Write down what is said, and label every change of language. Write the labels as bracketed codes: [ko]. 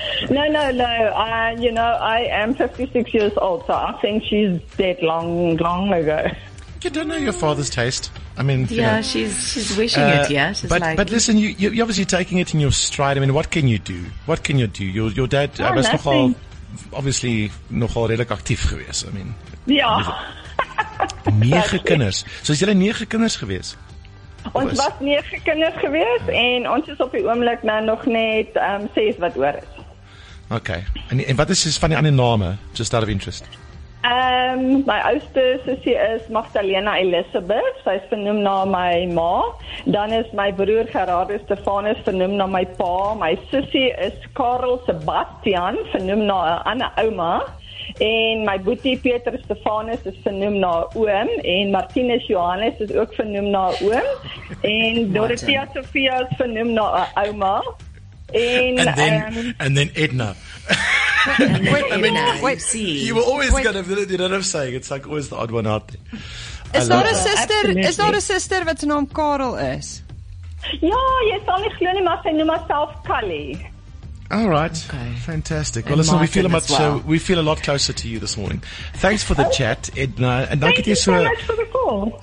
[en] No. I am 56 years old, so I think she's dead long ago. You don't know your father's taste. I mean, she's wishing it. Yeah, she's But listen, you're obviously taking it in your stride. I mean, what can you do? What can you do? Your dad was [af] nogal, [en] obviously [af] nogal redelijk actief geweest. [en] I mean, yeah. [af] 9 kinders. So is jy 9 kinders geweest? Ons was 9 kinders gewees en ons is op die oomblik nou nog net 6 wat oor is. Okay. En wat is van die ander name, [en] just out of interest? [af] My oudste sussie is Magdalena Elizabeth. Sy is vernoem na my ma. Dan is my broer Gerardus Stefanus vernoem na my pa. My sussie is Karel Sebastian, vernoem na 'n ander ouma. En my boetie Peter Stefanus is vernoem na oom. En Martinus Johannes is ook vernoem na oom. En Dorothea Sophia is vernoem na 'n ouma. [en] And then Edna. It's like always the odd one out there. [af] Is daar 'n suster wat se naam Karel is? Ja, jy sal nie glo nie, maar sy noem haarself Kali. [en] All right. Okay. Fantastic. Well, listen, we feel a lot closer to you this morning. Thanks for the chat, Edna. And thank you so much for the call.